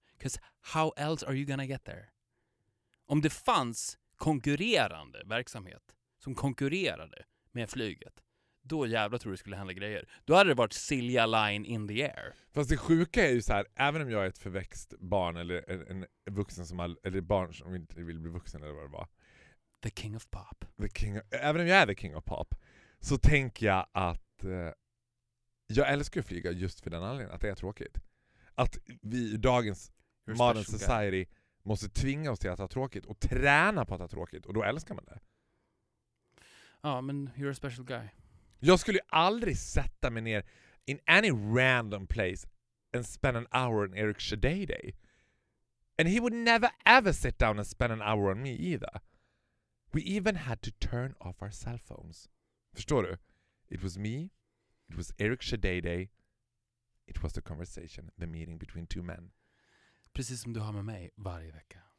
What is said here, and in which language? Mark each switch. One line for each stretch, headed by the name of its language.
English: Because how else are you gonna get there?
Swedish: Om det fanns konkurrerande verksamhet som konkurrerade med flyget, då jävla tror du skulle hända grejer. Då hade det varit Silja Line
English: in the air.
Swedish: Fast det sjuka är ju så här, även om jag är ett förväxt barn eller en vuxen som eller barn som inte vill bli vuxen eller vad det var.
English: The king of pop.
Swedish: Även om jag är
English: the king of pop,
Swedish: så tänker jag att jag älskar att flyga just för den anledningen att det är tråkigt. Att vi i dagens
English: modern society
Swedish: måste tvinga oss till att ha tråkigt och träna på att ha tråkigt, och då älskar man det. Ja, men
English: you're a special guy.
Swedish: Jag skulle ju aldrig sätta mig ner
English: in any random place and spend an hour on Erik Shadayday. And he would never ever sit down and spend an hour on me either. We even had to turn off our cell phones.
Swedish: Förstår du?
English: It was me. It was Eric Shadeday. It was the conversation, the meeting between two men.
Swedish: Precis som du har med mig varje vecka.